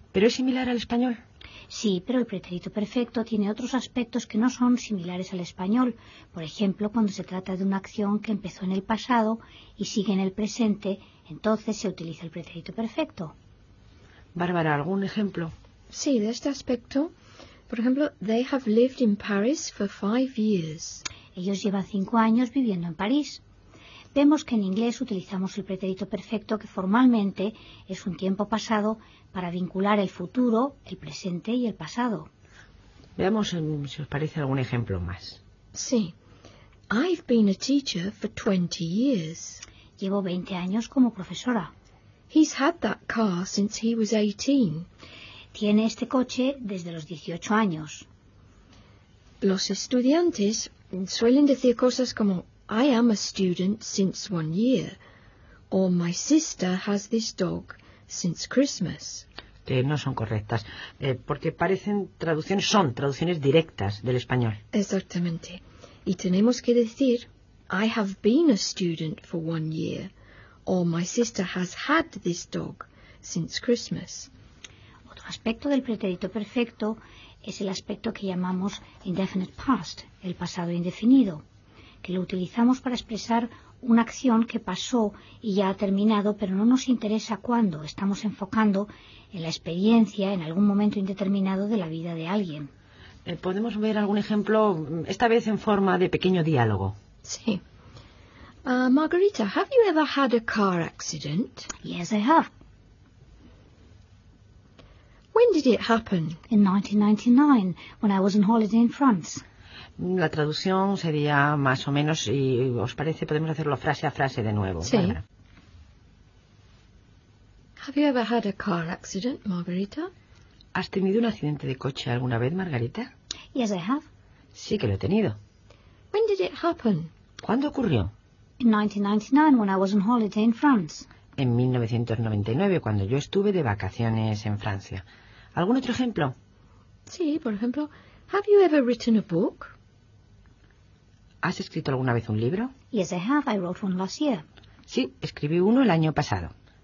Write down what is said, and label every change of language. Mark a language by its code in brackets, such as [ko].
[es] ¿Pero es similar al español? Sí, pero el pretérito perfecto tiene otros aspectos que no son similares al español. Por ejemplo, cuando se trata de una acción que empezó en el pasado y sigue en el presente, entonces se utiliza el pretérito perfecto. Bárbara, ¿algún ejemplo? Sí, de este aspecto. Por ejemplo, [en] they have lived in Paris for 5 years. [es] Ellos llevan 5 años viviendo en París. Vemos que en inglés utilizamos el pretérito perfecto, que formalmente es un tiempo pasado, para vincular el futuro, el presente y el pasado. Veamos si os parece algún ejemplo más. [en] Sí. I've been a teacher for 20 years. [es] Llevo 20 años como profesora. [en] He's had that car since he was 18. [es] Tiene este coche desde los 18 años. Los estudiantes suelen decir cosas como [en] I am a student since 1 year. O my sister has this dog since Christmas. [es] Que no son correctas. Porque parecen traducciones, son traducciones directas del español. Exactamente. Y tenemos que decir [en] I have been a student for 1 year. O my sister has had this dog since Christmas. [es] Otro aspecto del pretérito perfecto es el aspecto que llamamos indefinite past, el pasado indefinido, que lo utilizamos para expresar una acción que pasó y ya ha terminado, pero no nos interesa cuándo. Estamos enfocando en la experiencia, en algún momento indeterminado de la vida de alguien. ¿Podemos ver algún ejemplo, esta vez en forma de pequeño diálogo? Sí. [en] Margarita, have you ever had a car accident? Yes, I have. When did it happen? In 1999, when I was on holiday in France. [es] La traducción sería más o menos, si os parece, podemos hacerlo frase a frase de nuevo. Sí. [en] Have you ever had a car accident, Margarita? [es] ¿Has tenido un accidente de coche alguna vez, Margarita? [en] Yes, I have. [es] Sí que lo he tenido. [en] When did it happen? [es] ¿Cuándo ocurrió? [en] In 1999, when I was on holiday in France. [es] En 1999, cuando yo estuve de vacaciones en Francia. ¿Algún otro ejemplo? Sí, por ejemplo, [en] have you ever written a book? [es] ¿Has escrito alguna vez un libro? [en] Yes, I have. I wrote one last year. [es] Sí, escribí uno el año pasado.